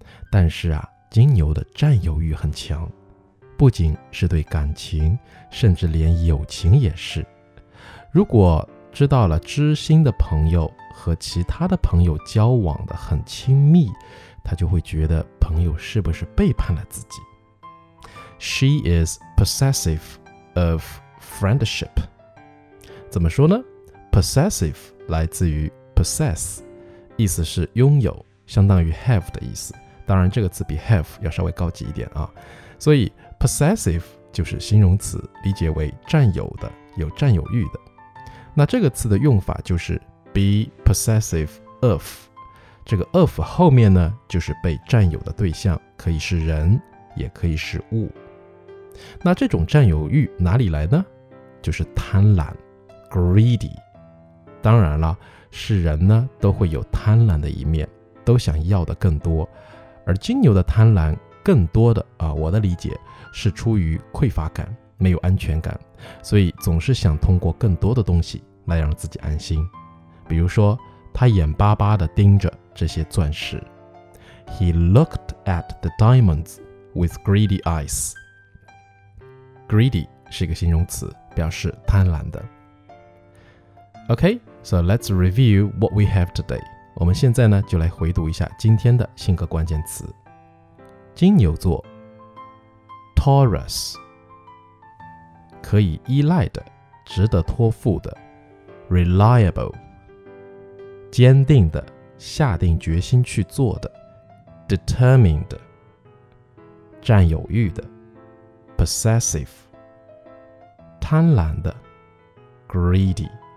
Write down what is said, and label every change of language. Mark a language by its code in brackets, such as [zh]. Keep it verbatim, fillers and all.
[zh] 但是啊，金牛的占有欲很强，不仅是对感情，甚至连友情也是。如果知道了知心的朋友和其他的朋友交往的很亲密，他就会觉得朋友是不是背叛了自己。 [en] She is possessive of friendship. [zh] 怎么说呢？ Possessive 来自于 possess， 意思是拥有，相当于 have 的意思。当然这个词比 have 要稍微高级一点啊。所以 possessive 就是形容词，理解为占有的，有占有欲的。那这个词的用法就是 [en] be possessive of， [zh] 这个 of 后面呢就是被占有的对象，可以是人，也可以是物。那这种占有欲哪里来呢？就是贪婪 greedy。当然了，是人呢都会有贪婪的一面，都想要的更多。而金牛的贪婪更多的啊，我的理解是出于匮乏感，没有安全感，所以总是想通过更多的东西来让自己安心。比如说，他眼巴巴地盯着这些钻石。 [en] He looked at the diamonds with greedy eyes. [zh] Greedy 是一个形容词，表示贪婪的。 [en] Okay, so let's review what we have today. [zh] 我们现在呢就来回读一下今天的性格关键词。金牛座 Taurus， 可以依赖的，值得托付的 reliable， 坚定的，下定决心去做的 determined，占有欲的 possessive， 贪婪的 greedy。